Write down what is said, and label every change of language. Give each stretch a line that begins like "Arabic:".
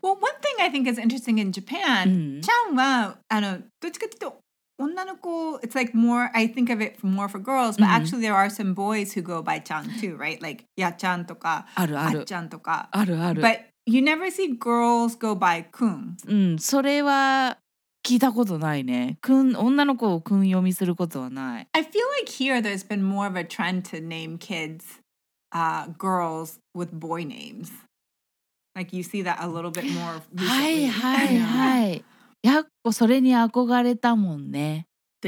English: Well, one thing I think is interesting in Japan,
Japanese: chanは、あの、どっちかというと、
English: it's like more, I think of it more for girls, but actually there are some boys who go by chan too, right? Like ya-chan toka, a-chan
Japanese: toka. あるある。
English: But you never see girls go by kun.
Japanese: それは聞いたことないね。女の子をくん読みすることはない。
English: I feel like here there's been more of a trend to name kids, girls with boy names. Like you see that a little bit more recently.
Japanese: はいはいはい。やっこそれに憧れたもんね。The